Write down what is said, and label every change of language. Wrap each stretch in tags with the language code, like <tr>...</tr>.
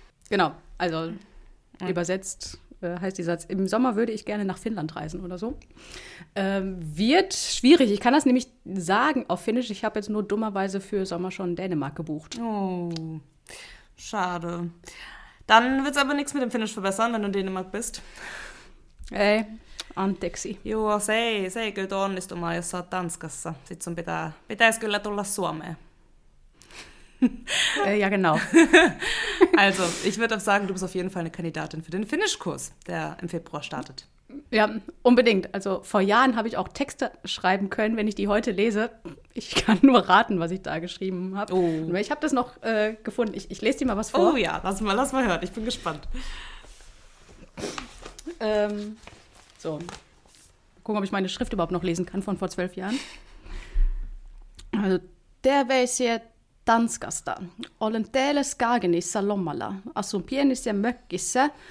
<de>Genau, also übersetzt heißt dieser Satz, im Sommer würde ich gerne nach Finnland reisen oder so. Wird schwierig. Ich kann das nämlich sagen auf Finnisch. Ich habe jetzt nur dummerweise für Sommer schon Dänemark gebucht. Oh, schade. Dann wird es aber nichts mit dem Finnisch verbessern, wenn du in Dänemark bist.</de> <fi>Ei, anteeksi. Joo, se ei kyllä tule onnistumaan, jos sä oot Tanskassa. Sitten sun pitäis kyllä tulla Suomeen.</fi> <de>Ja, genau. Also, ich würde auch sagen, du bist auf jeden Fall eine Kandidatin für den Finnish-Kurs, der im Februar startet. Ja, unbedingt. Also, vor Jahren habe ich auch Texte schreiben können, wenn ich die heute lese. Ich kann nur raten, was ich da geschrieben habe. Oh. Ich habe das noch gefunden. Ich lese dir mal was vor. Oh ja, lass mal hören. Ich bin gespannt. So, gucken, ob ich meine Schrift überhaupt noch lesen kann von vor 12 Jahren. Also, der weiß jetzt. Tanskasta.</de> <fi>Olen täällä Skagenissa lomalla. Asun pienissä mökkissä.</fi>